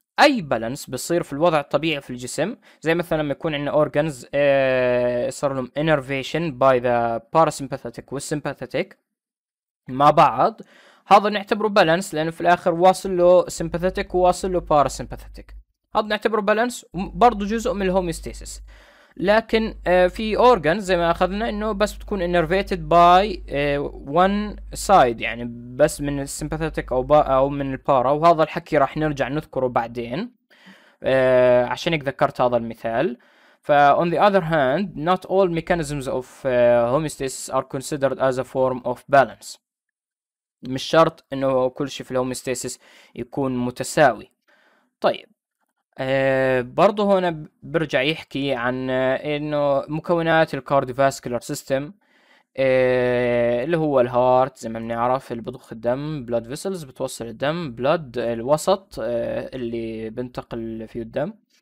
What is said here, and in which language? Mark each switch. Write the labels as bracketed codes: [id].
[ar] أي balance بصير في الوضع الطبيعي في الجسم، زي مثلا لما يكون عندنا organs صار لهم innervation by the parasympathetic والsympathetic مع بعض، هذا نعتبره balance لأنه في الآخر واصل له sympathetic وواصل له parasympathetic، هذا نعتبره balance وبرضه جزء من الهوميستاسيس. لكن في اورجان زي ما اخذنا انه بس بتكون [en] innervated by one side, [ar] يعني بس من السمباثيتك او من البارا، وهذا الحكي راح نرجع نذكره بعدين عشان ذكرت هذا المثال. [en] ف on the other hand not all mechanisms of homeostasis are considered as a form of balance. [ar] مش شرط انه كل شيء في الهوميستاسيس يكون متساوي. طيب برضه هنا برجع يحكي عن انه مكونات الكارديوفاسكولار سيستم، اللي هو الهارت زي ما بنعرف اللي بضخ الدم، بلاد فيسلز بتوصل الدم، بلاد الوسط اللي بنتقل فيه الدم.